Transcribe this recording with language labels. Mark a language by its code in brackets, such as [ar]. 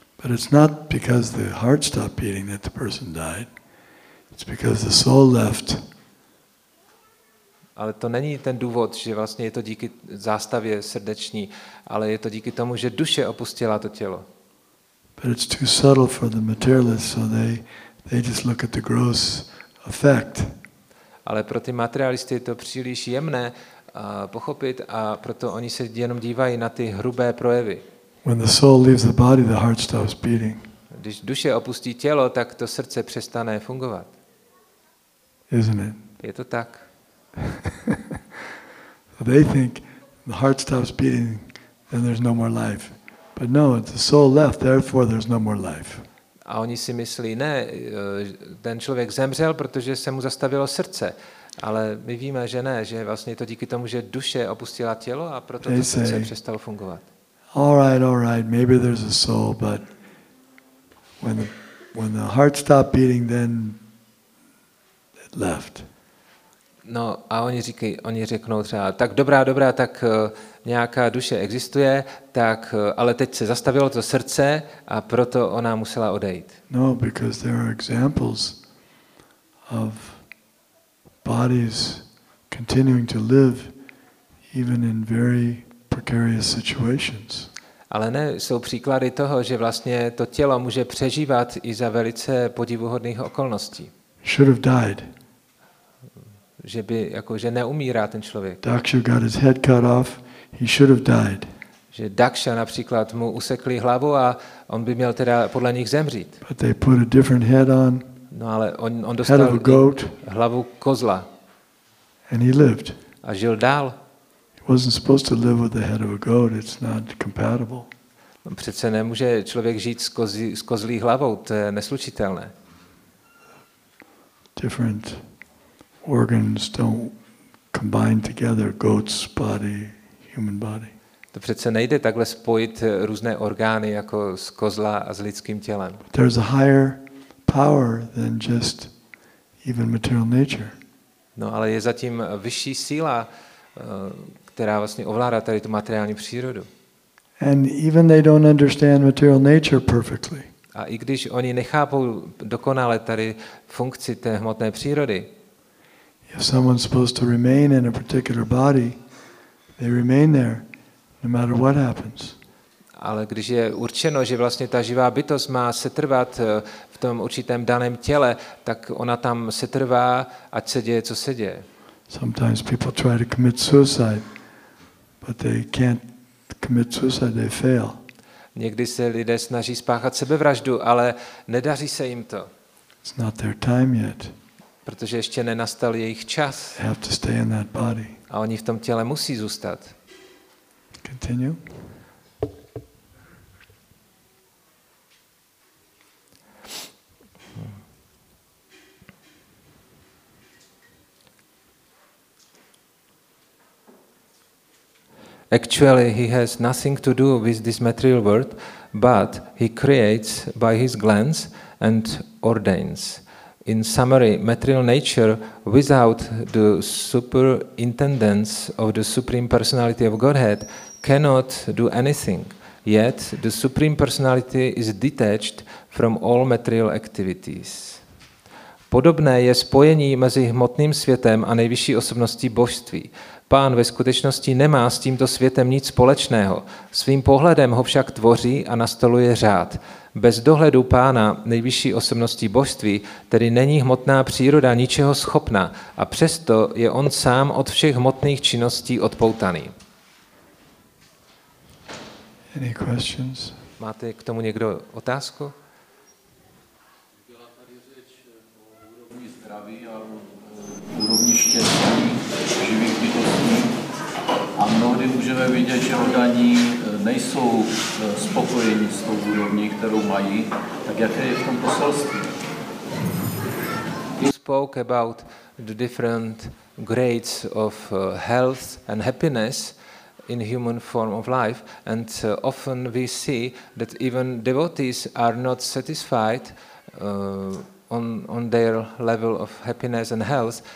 [en] But it's not because the heart stopped beating that the person died. It's because the soul left. [cs] Ale to není ten důvod, že vlastně je to díky zástavě srdeční, ale je to díky tomu, že duše opustila to tělo. [en] But it's too subtle for the materialists, so they just look at the gross effect. [cs] ale pro ty materialisty je to příliš jemné pochopit a proto oni se jenom dívají na ty hrubé projevy. [en] When the soul leaves the body, the heart stops beating. [cs] Když duše opustí tělo, tak to srdce přestane fungovat. [en] Isn't it? [cs] Je to tak. [en] They think the heart stops beating and there's no more life. But no, the soul left, therefore there's no more life. [cs] A oni si myslí, ne, ten člověk zemřel, protože se mu zastavilo srdce. Ale my víme, že ne, že vlastně to díky tomu, že duše opustila tělo a proto to srdce přestalo fungovat. [en] All right, maybe there's a soul, but when the heart stopped beating, then it left. [cs] No, a oni řeknou třeba, tak dobrá, tak nějaká duše existuje, tak ale teď se zastavilo to srdce a proto ona musela odejít. [en] No, because there are examples of bodies continuing to live even in very precarious situations. [cs] Ale ne, jsou příklady toho, že vlastně to tělo může přežívat i za velice podivuhodných okolností. [en] Should have died. [cs] Že by jako že neumírá ten člověk. [en] Daksha got his head cut off. He should have died. [cs] Že Daksha například mu usekli hlavu a on by měl teda podle nich zemřít. [en] But they put a different head on. [cs] No, ale on dostal hlavu kozla. [en] And he lived. [cs] A žil dál. [en] He wasn't supposed to live with the head of a goat. It's not compatible. [cs] Přece nemůže člověk žít s kozlí hlavou. To je neslučitelné. [en] Different organs don't combine together, goat's body, human body. [cs] To přece nejde takhle spojit různé orgány jako z kozla a s lidským tělem. [en] There's a higher power than just even material nature. [cs] No, ale je zatím vyšší síla, která vlastně ovládá tady tu materiální přírodu. [en] And even they don't understand material nature perfectly. [cs] A i když oni nechápou dokonale tady funkci té hmotné přírody. [en] If someone's supposed to remain in a particular body, they remain there no matter what happens. [cs] Ale když je určeno, že vlastně ta živá bytost má setrvat v tom určitém daném těle, tak ona tam setrvá, ať se děje, co se děje. [en] Sometimes people try to commit suicide, but they can't commit suicide, they fail. [cs] Někdy se lidé snaží spáchat sebevraždu, ale nedaří se jim to. [en] It's not their time yet. [cs] Protože ještě nenastal jejich čas. [en] They have to stay in that body. [cs] A oni v tom těle musí zůstat. [en] Continue. Actually, he has nothing to do with this material world, but he creates by his glance and ordains. In summary, material nature, without the superintendence of the Supreme Personality of Godhead, cannot do anything. Yet, the Supreme Personality is detached from all material activities. [cs] Podobné je spojení mezi hmotným světem a nejvyšší osobností božství. Pán ve skutečnosti nemá s tímto světem nic společného. Svým pohledem ho však tvoří a nastoluje řád. Bez dohledu pána nejvyšší osobností božství tedy není hmotná příroda ničeho schopna a přesto je on sám od všech hmotných činností odpoutaný. [en] Any questions? [cs] Máte k tomu někdo otázku? Byla tady řeč o úrovni zdraví a o úrovni štěstí živých bytostí a mnohdy můžeme vidět, že oddaní nejsou spokojeni s tou úrovní, kterou mají. Tak jaké je v tom poselství? [en] You spoke about the different grades of health and happiness in human form of life, and often we see that even devotees are not satisfied on their level of happiness and health.